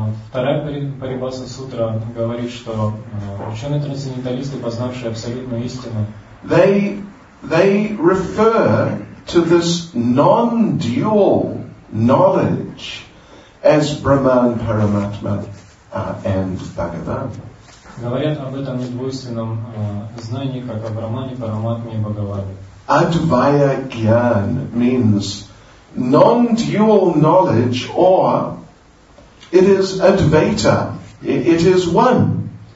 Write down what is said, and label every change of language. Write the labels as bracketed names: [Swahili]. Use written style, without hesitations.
[Russian] Вторая Парибаса Сутра говорит, что ученые трансценденталисты, познавшие абсолютную истину, [English] they refer to this non-dual knowledge as Brahman, Paramatma, and Bhagavan. [Russian] Говорят об этом недвойственном знании как о Брамане, Параматме и Бхагаване. [English] Advaita Gyan means non-dual knowledge, or it is Advaita. It is one.